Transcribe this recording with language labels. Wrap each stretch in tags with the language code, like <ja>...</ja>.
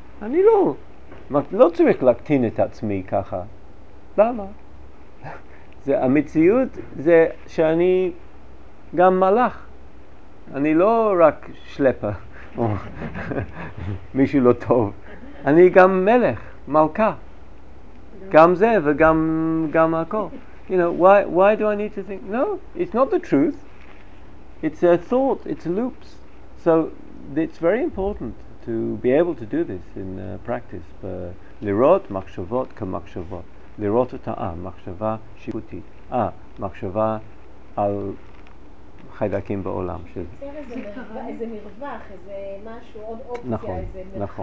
<he>אני לא צריך להקטין את עצמי ככה. למה? זה המציאות, זה שאני גם מלאך. אני לא רק שלפה או מישהו לא טוב. אני גם מלך, מלכה. גם גם זה וגם גם הכל.</he> <en>You know, why do I need to think? No, it's not the truth. It's a thought, it's loops. So it's very important to be able to do this in practice.</en> <he>לראות מחשבות כמחשבות. לראות אותה, מחשבה שיפוטית. מחשבה על חיידקים בעולם. זה איזה מרווח, איזה משהו, עוד אופציה, איזה מרחב</he>